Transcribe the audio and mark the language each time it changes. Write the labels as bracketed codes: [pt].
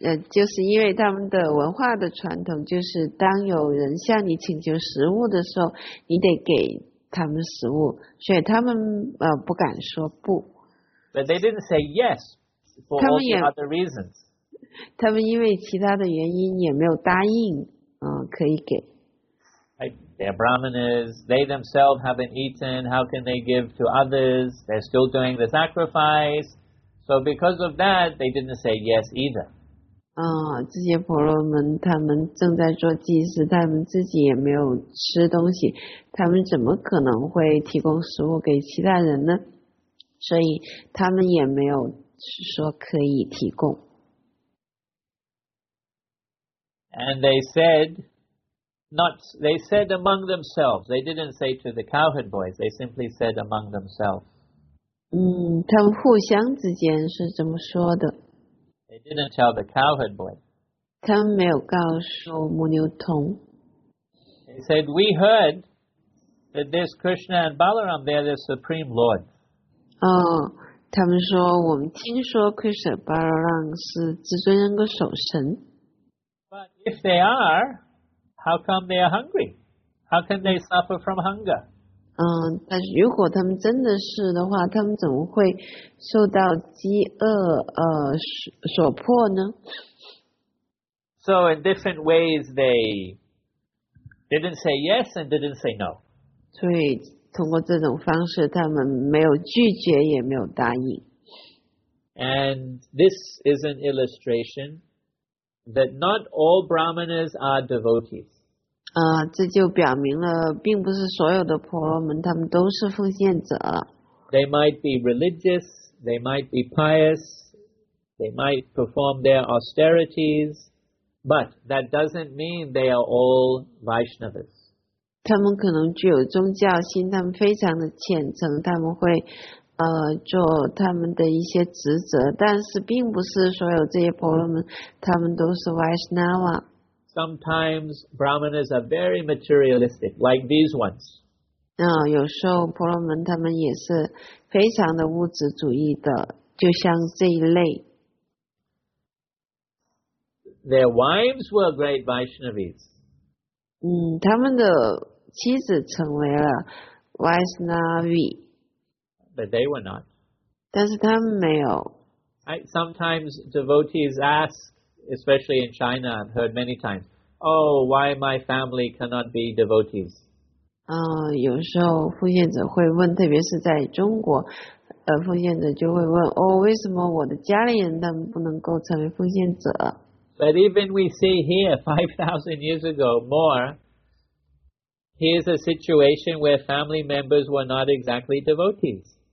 [zh] 就是因为他们的文化的传统，就是当有人向你请求食物的时候，你得给他们食物，所以他们不敢说不。 [en] But they didn't say yes for all the other reasons. [zh] 他们因为其他的原因也没有答应，可以给。 [en] Right. They're brahmanas. They themselves haven't eaten. How can they give to others? They're still doing the sacrifice. So because of that, they didn't say yes either. [zh] 这些婆罗门他们正在做祭祀，他们自己也没有吃东西，他们怎么可能会提供食物给其他人呢？所以他们也没有说可以提供。 [en] And they said, not, they said among themselves, they didn't say to the cowherd boys, they simply said among themselves. [zh] 他们互相之间是这么说的。 [en] They didn't tell the cowherd boys. [zh] 他们没有告诉牧牛童。 [en] They said, we heard that this Krishna and Balaram, they are the supreme lord. [zh] 他们说我们听说 Krishna Balaram 是至尊人格守神。 [en] But if they are, how come they are hungry? How can they suffer from hunger? [zh] 但是如果他们真的是的话，他们怎么会受到饥饿所迫呢？ [en] So in different ways they didn't say yes and didn't say no. [zh] 对。通过这种方式，他们没有拒绝，也没有答应。 [en] And this is an illustration that not all brahmanas are devotees. [zh] 这就表明了，并不是所有的婆罗门他们都是奉献者。 [en] They might be religious, they might be pious, they might perform their austerities, but that doesn't mean they are all Vaishnavas. [zh] 他们可能具有宗教心，他们非常的虔诚，他们会做他们的一些职责，但是并不是所有这些婆罗门他们都是 Vaishnava。 [en] Sometimes brahmanas are very materialistic like these ones. [zh] 有时候婆罗门他们也是非常的物质主义的，就像这一类。 [en] Their wives were great Vaishnavis. [zh] 他们的妻子成为了 Vaishnavi, [en] but they were not. [zh] 但是他们没有。 [en] Sometimes devotees ask, especially in China, I've heard many times, "Oh, why my family cannot be devotees?" [zh] 有时候奉献者会问，特别是在中国，奉献者就会问，哦，为什么我的家里人他们不能够成为奉献者？ [en] But even we see here, 5,000 years ago, more. Here's a situation where family members were not exactly devotees.